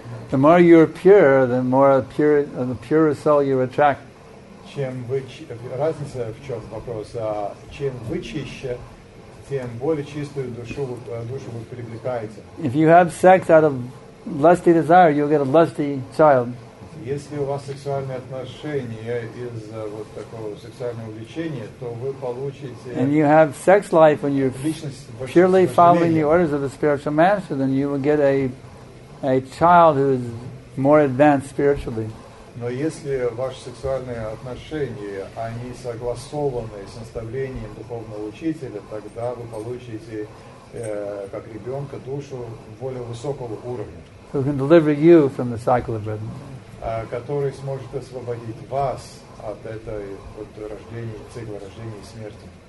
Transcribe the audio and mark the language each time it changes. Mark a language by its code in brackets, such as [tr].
[en] The more you're pure, the more pure, the purer soul you attract. [ru] Чем вы, разница в чем вопрос? Чем вы чище, тем более чистую душу вы привлекаете. [en] If you have sex out of lusty desire, you'll get a lusty child. [ru] Если у вас сексуальные отношения из вот такого сексуального увлечения, то вы получите. [en] And you have sex life when you're purely following the orders of the spiritual master, then you will get a child who is more advanced spiritually. [ru] Но если ваши сексуальные отношения они согласованы с наставлением духовного учителя, тогда вы получите как ребенка душу более высокого уровня. [en] Who can deliver you from the cycle of birth? [ru] Который сможет освободить вас от этой вот рождения, цикла рождения и смерти.